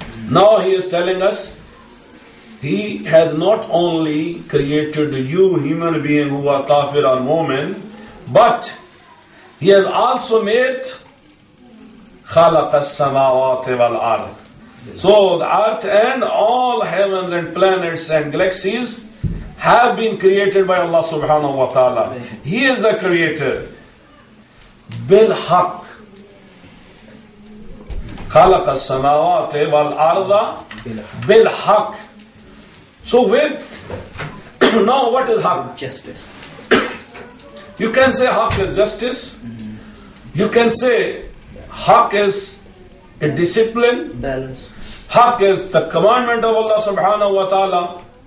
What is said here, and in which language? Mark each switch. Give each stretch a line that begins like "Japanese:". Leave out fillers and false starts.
English: Now He is telling us, He has not only created you, human being who are kafir or mu'min, but He has also made
Arabic: خَلَقَ السَّمَاوَاتِ وَالْأَرْضِ.
English: So the earth and all heavens and planets and galaxies have been created by Allah subhanahu wa ta'ala. He is the creator.
Arabic: بالحق خلق السماوات والأرض بالحق.
English: So with now what is حق? Justice. You can say حق is justice. Mm-hmm. You can say حق is a discipline. Balance. حق is the commandment of Allah subhanahu wa ta'ala.